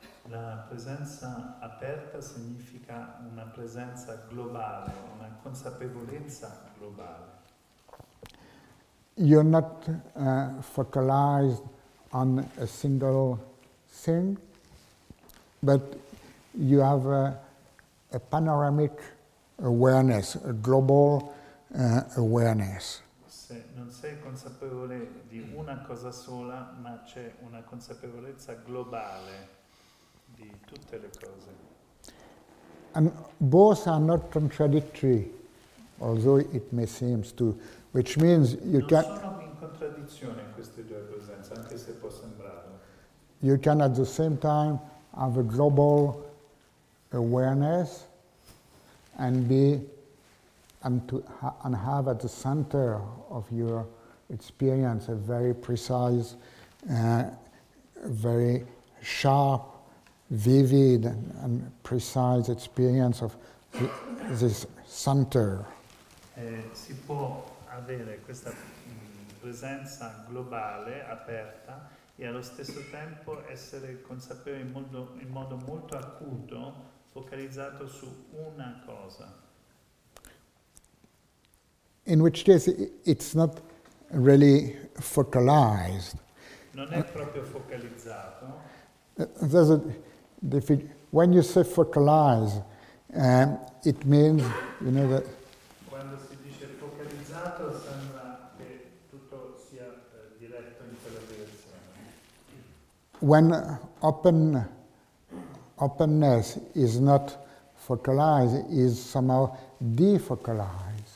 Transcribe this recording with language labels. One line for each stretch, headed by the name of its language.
Italian: La presenza aperta significa una presenza globale, una consapevolezza globale.
English: You're not focalized on a single thing, but you have a panoramic awareness, a global awareness.
Italian: Se non sei consapevole di una cosa sola, ma c'è una consapevolezza globale di tutte le cose.
English: And both are not contradictory, although it may seem to, which means you
Italian: non
English: can...
Italian: Non sono in contraddizione queste due presenze, anche se può sembrare.
English: You can at the same time have a global awareness and be and have at the center of your experience a very precise, very sharp, vivid, and precise experience of this center.
Italian: Si può avere questa presenza globale aperta e allo stesso tempo essere consapevole in modo molto acuto, focalizzato su una cosa.
English: In which case it's not really focalized.
Italian: Non è proprio focalizzato.
English: There's a when you say focalize, it means, you know, that
Italian: quando si dice focalizzato sembra che tutto sia diretto in quella direzione.
English: When openness is not focalized, is somehow defocalized.